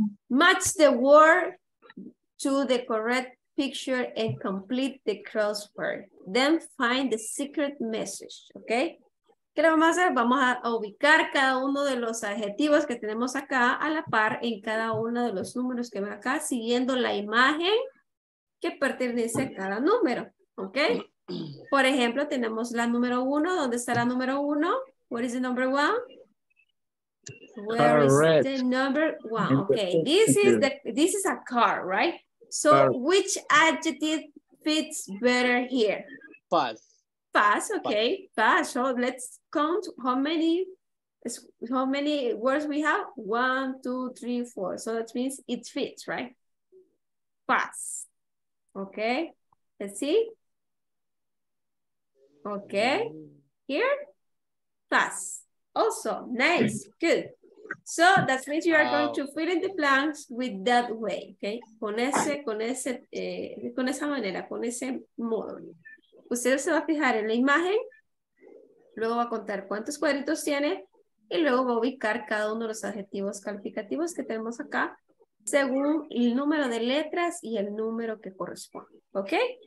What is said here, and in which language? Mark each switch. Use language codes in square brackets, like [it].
[en] Match the word to the correct picture and complete the crossword. Then find the secret message, ¿ok? [es] ¿Qué le vamos a hacer? Vamos a ubicar cada uno de los adjetivos que tenemos acá a la par en cada uno de los números que ven acá, siguiendo la imagen que pertenece a cada número, ¿ok? Por ejemplo, tenemos la número uno. ¿Dónde está la número uno? [en] What is the number one? Where correct. Is the number one? Okay, this is a car, right? So, correct. Which adjective fits better here? Fast, okay. Fast, so let's count how many words we have. One, two, three, four. So that means it fits, right? Fast, okay. Let's see. Okay, here, pass. Also, nice, good. So that means you are going to fill in the blanks with that way, okay? [es] Con ese modo. Usted se va a fijar en la imagen, luego va a contar cuántos cuadritos tiene y luego va a ubicar cada uno de los adjetivos calificativos que tenemos acá según el número de letras y el número que corresponde, okay?